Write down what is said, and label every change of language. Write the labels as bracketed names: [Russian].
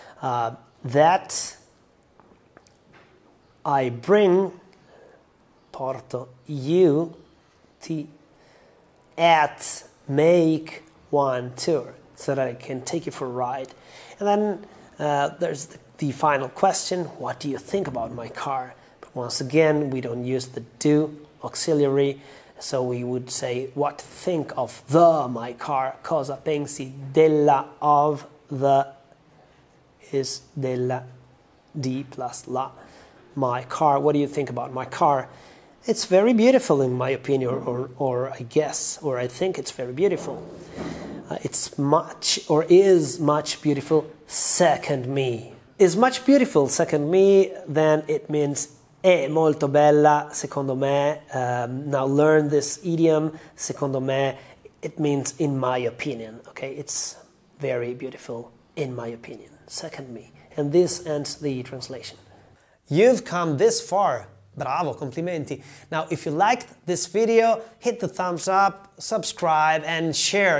[English] That I bring, porto you, at make one tour, so that I can take you for a ride. And then there's the final question, what do you think about my car? But once again, we don't use the do auxiliary. So we would say, what think of the my car? [Italian] Cosa pensi della [English] of the is della D plus la my car. What do you think about my car? It's very beautiful in my opinion, or I guess, or I think it's very beautiful. It's much or is much beautiful second me. Is much beautiful second me, then it means [Italian] è molto bella, secondo me. [English] Now learn this idiom, secondo me. It means in my opinion, okay? It's very beautiful, in my opinion, second me. And this ends the translation. You've come this far. [Italian] Bravo, complimenti. [English] Now, if you liked this video, hit the thumbs up, subscribe, and share.